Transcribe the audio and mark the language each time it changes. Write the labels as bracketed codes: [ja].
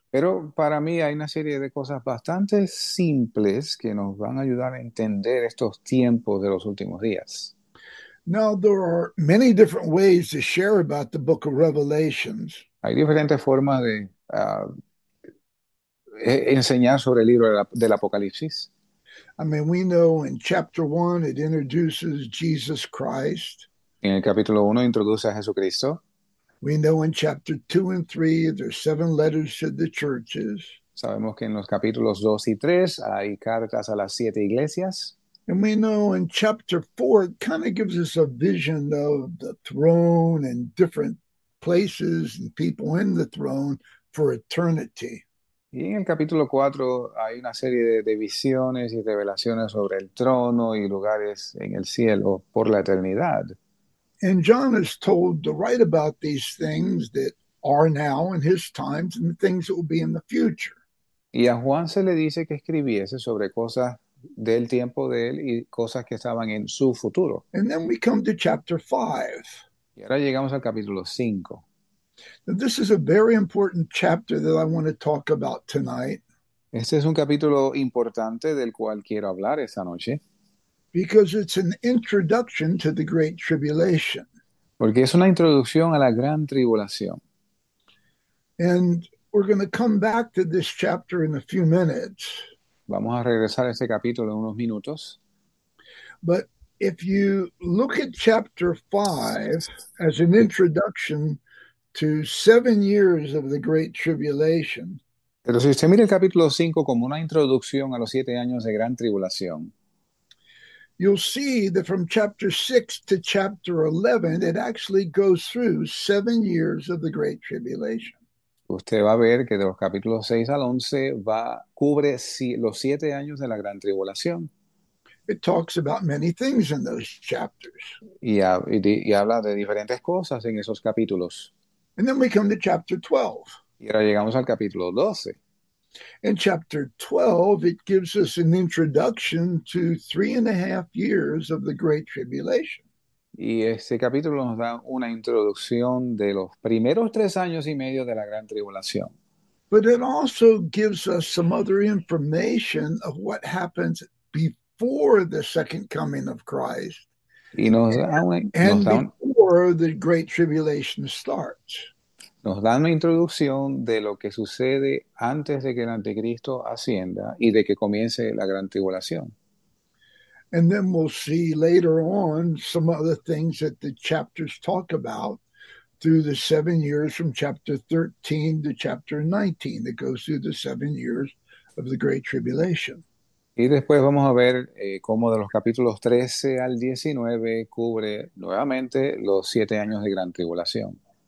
[es] Pero para mí hay una serie de cosas bastante simples que nos van a ayudar a entender estos tiempos de los últimos días. [en] Now, there are many different ways to share about the book of Revelations. [es] Hay diferentes formas de enseñar sobre el libro de del Apocalipsis. [en] I mean, we know in chapter one it introduces Jesus Christ. [es] En el capítulo 1 introduce a Jesucristo. [en] We know in chapter two and three there's seven letters to the churches. [es] Sabemos que en los capítulos 2 y 3 hay cartas a las siete iglesias. [en] And we know in chapter four it kind of gives us a vision of the throne and different places and people in the throne for eternity. [es] Y en el capítulo 4 hay una serie de visiones y revelaciones sobre el trono y lugares en el cielo por la eternidad. [en] And John is told to write about these things that are now in his times and the things that will be in the future. [es] Y a Juan se le dice que escribiese sobre cosas del tiempo de él y cosas que estaban en su futuro. [en] And then we come to chapter 5. [es] Y ahora llegamos al capítulo 5. [en] Now, this is a very important chapter that I want to talk about tonight. [es] Este es un capítulo importante del cual quiero hablar esta noche. [en] Because it's an introduction to the Great Tribulation. [es] Porque es una introducción a la gran tribulación. [en] And we're going to come back to this chapter in a few minutes. [es] Vamos a regresar a este capítulo en unos minutos. [en] But if you look at chapter 5 as an introduction to 7 years of the Great Tribulation. [es] Pero si usted mira el capítulo 5 como una introducción a los 7 años de gran tribulación. [en] You'll see that from chapter 6 to chapter 11, it actually goes through 7 years of the Great Tribulation. [es] Usted va a ver que de los capítulos 6 al 11 va cubre los 7 años de la gran tribulación. [en] It talks about many things in those chapters. [es] Y habla de diferentes cosas en esos capítulos. [en] And then we come to chapter 12. [es] Y ahora llegamos al capítulo 12. [en] In chapter 12, it gives us an introduction to 3.5 years of the Great Tribulation. [es] Y este capítulo nos da una introducción de los primeros 3 años y medio de la gran tribulación. [en] But it also gives us some other information of what happens before the second coming of Christ [es] y nos da una, nos [en] and [es] da un, [en] before the Great Tribulation starts. [es] Nos dan una introducción de lo que sucede antes de que el anticristo ascienda y de que comience la gran tribulación. [en] And then we'll see later on some other things that the chapters talk about through the 7 years from chapter 13 to chapter 19 that goes through the 7 years of the Great Tribulation. [es] Y después vamos a ver cómo de los capítulos 13 al 19 cubre nuevamente los 7 años de gran tribulación.